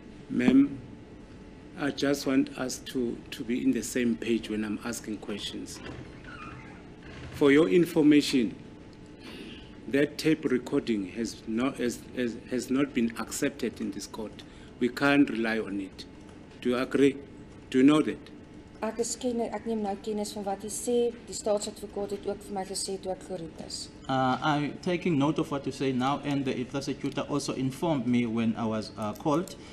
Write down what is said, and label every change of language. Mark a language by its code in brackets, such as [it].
[en] Ma'am, I just want us to be in the same page when I'm asking questions. For your information, that tape recording has not been accepted in this court. We can't rely on it. Do you agree? Do you know that? [af] ek neem nou kennis van wat u sê. Die staatsadvokaat het ook vir my gesê toe ek geroep is. [en] I'm taking note of what you say now, and the prosecutor also informed me when I was called.